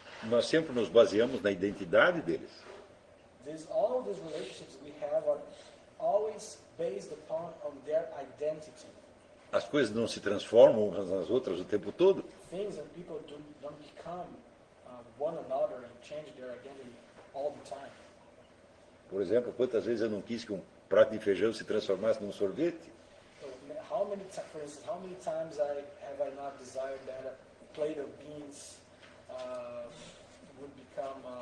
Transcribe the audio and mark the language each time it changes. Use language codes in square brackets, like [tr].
[pt] Nós sempre nos baseamos na identidade deles. [en] All these relationships we have are always based upon on their identity. [pt] As coisas não se transformam umas nas outras o tempo todo. [en] Things and people don't become one another and change their identity all the time. [pt] Por exemplo, quantas vezes eu não quis que um prato de feijão se transformasse num sorvete? [en] How many times, for instance, how many times have I not desired that a plate of beans would become